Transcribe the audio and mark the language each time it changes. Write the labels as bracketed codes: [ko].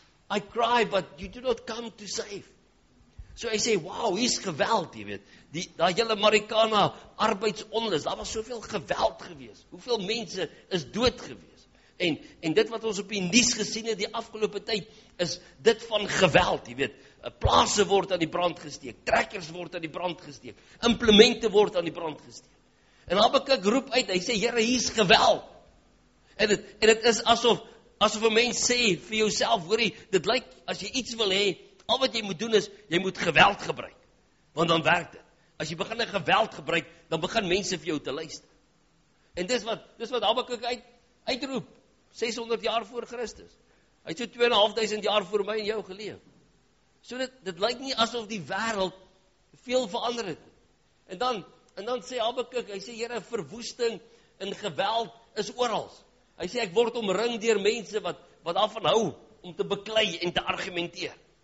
[en] I cry, but you do not come to save. [af] So hy sê, wow, hier is geweld, jy weet. Daar jylle Marikana, arbeidsonlus, daar was soveel geweld gewees. Hoeveel mense is dood gewees. En dit wat ons op die nuus gesien het die afgelope tyd, is dit van geweld, jy weet. Plase word aan die brand gesteek, trekkers word aan die brand gesteek, implemente word aan die brand gesteek. En Habakuk roep uit, hy sê, Here, hier is geweld. En het is asof een mens sê vir jouself, hoor jy, dit lyk, as jy iets wil hê, al wat jy moet doen is, jy moet geweld gebruik. Want dan werk dit. As jy begin geweld gebruik, dan begin mense vir jou te luister. En dis wat Habakuk uitroep, 600 jaar voor Christus. Hy het so 2,500 jaar voor my en jou geleef. So dit lyk nie asof die wêreld veel verander het. En dan sê Habakuk, hy sê, Here, verwoesting en geweld is oral. Hy sê, ek word omring deur mense wat daarvan hou om te beklei en te argumenteer.